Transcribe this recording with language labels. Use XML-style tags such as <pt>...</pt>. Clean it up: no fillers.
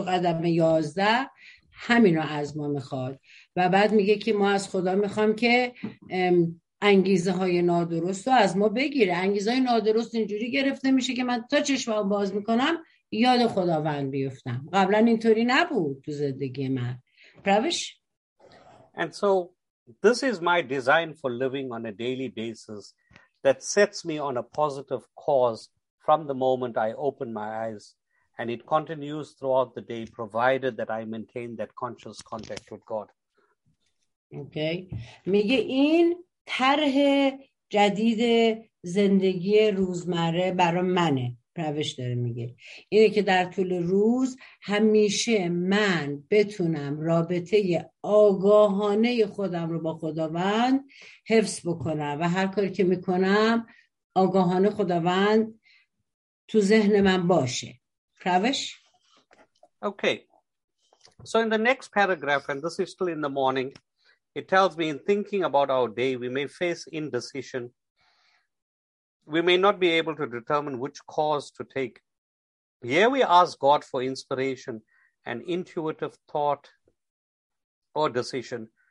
<fa>تو قدم 11 همین رو از ما میخواد. و بعد میگه که ما از خدا میخوام که انگیزه های نادرست رو از ما بگیره. انگیزه های نادرست اینجوری گرفته میشه که من تا چشمم باز میکنم یاد خداوند بیفتم. قبلا اینطوری نبود تو زندگی من. پروش؟</fa> <en>And so this is my design for living on a daily basis that sets me on a positive course from the moment I open my eyes. And it continues throughout the day, provided that I maintain that conscious contact with God. Okay.</en> <fa>میگه این طرح جدید زندگی روزمره برای منه. پروش داره میگه اینه که در طول روز همیشه من بتونم رابطه آگاهانه خودم رو با خداوند حفظ بکنم و هر کاری که میکنم آگاهانه خداوند تو ذهن من باشه. پروش؟</fa> <en>Okay. So in the next paragraph, and this is still in the morning, it tells me in thinking about our day, we may face indecision. We may not be able to determine which course to take. Here we ask God for inspiration and intuitive thought or decision.</en>